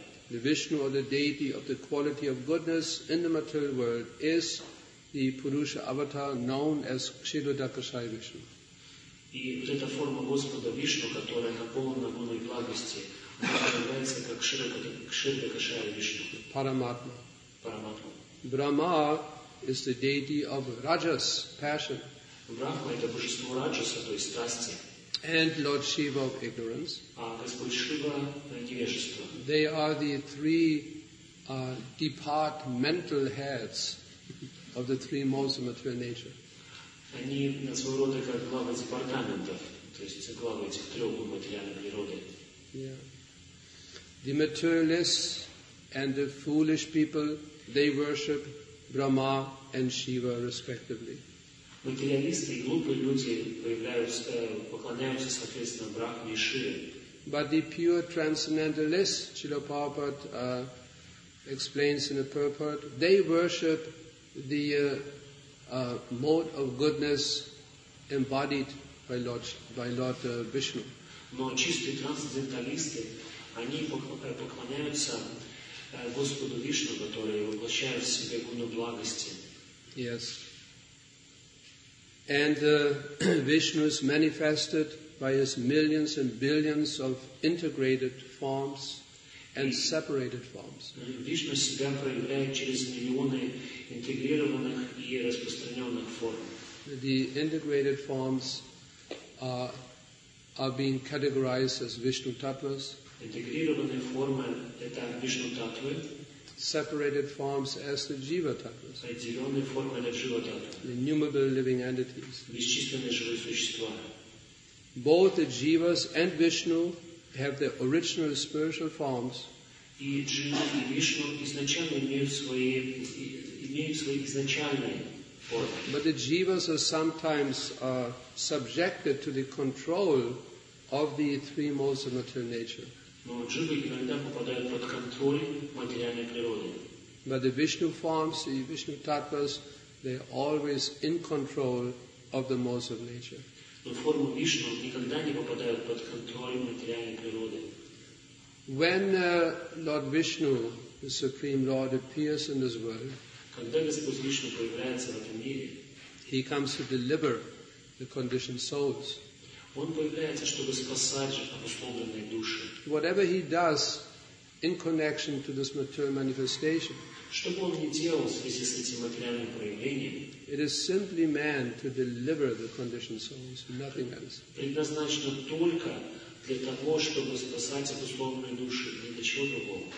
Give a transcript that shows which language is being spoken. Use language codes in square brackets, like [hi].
[en] The Vishnu or the deity of the quality of goodness in the material world is the Purusha avatar known as Kshirodakshaya Vishnu. [ru] И вот эта форма Господа Вишну, которая наполнена гуной благости, называется как Кширдакашая Вишну. Параматма. Параматма. [en] Брахма is the deity of Rajas, passion. [ru] Брахма это божество Раджаса, то есть страсти. [en] And Lord Shiva of ignorance. [ru] А Господь Шива невежество. [en] They are the three departmental heads of the three modes of material nature. [ru] Они на своего рода как главы департаментов, то есть главы этих трех материальных природы. [en] Yeah. The materialists and the foolish people, they worship Brahma and Shiva respectively. [ru] Материалисты и глупые люди поклоняются соответственно Брахме и Шиве. [en] But the pure transcendentalists, Srila Prabhupada explains in a purport, they worship the mode of goodness embodied by Lord Vishnu. [ru] Но чистые трансценденталисты, они поклоняются Господу Вишну, который воплощает в себе гуну благости. [en] Yes. And Vishnu is manifested by his millions and billions of integrated forms and separated forms. [ru] Вишну себя проявляет через миллионы интегрированных и распространенных форм. [en] The integrated forms are being categorized as Vishnu Tattvas. [ru] Интегрированные формы – это Вишну Таттвы. [en] Separated forms as the Jiva Tattvas. [ru] Отделенные формы – это Jiva Tattva. [en] The innumerable living entities. [ru] Бесчисленные живые существа. [en] Both the Jivas and Vishnu have their original spiritual forms. [ru] И Джива и Вишну изначально имеют свои изначальные формы. [en] But the Jivas are sometimes subjected to the control of the three modes of material nature. [ru] Но Дживы иногда попадают под контроль материальной природы. [en] But the Vishnu forms, the Vishnu Tattvas, they are always in control of the modes of nature. [ru] Но формы Вишну никогда не попадают под контроль материальной природы. [en] When Lord Vishnu, the Supreme Lord, appears in this world, [ru] когда Господь Вишну появляется в этом мире, [en] He comes to deliver the conditioned souls. [ru] Он появляется, чтобы спасать обусловленные души. [en] Whatever he does in connection to this material manifestation, [ru] что бы он ни делал в связи с этим материальным проявлением, [en] it is simply meant to deliver the conditioned souls, nothing else. [ru] Предназначено только для того, чтобы спасать обусловленные души, ни для чего другого.